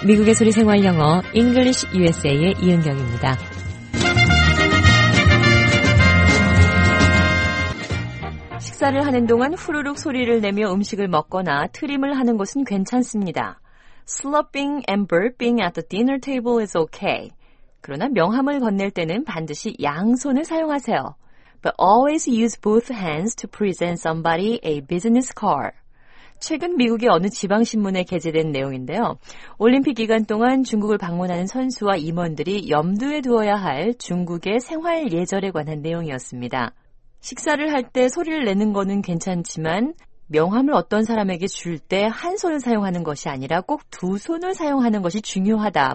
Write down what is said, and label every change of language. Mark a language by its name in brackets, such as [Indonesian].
[Korean] 미국의 소리 생활 영어 English USA의 이은경입니다. 식사를 하는 동안 후루룩 소리를 내며 음식을 먹거나 트림을 하는 것은 괜찮습니다. [English] Slurping and burping at the dinner table is okay. [Korean] 그러나 명함을 건넬 때는 반드시 양손을 사용하세요. [English] But always use both hands to present somebody a business card. [Korean] 최근 미국의 어느 지방신문에 게재된 내용인데요. 올림픽 기간 동안 중국을 방문하는 선수와 임원들이 염두에 두어야 할 중국의 생활 예절에 관한 내용이었습니다. 식사를 할 때 소리를 내는 거는 괜찮지만 명함을 어떤 사람에게 줄 때 한 손을 사용하는 것이 아니라 꼭 두 손을 사용하는 것이 중요하다.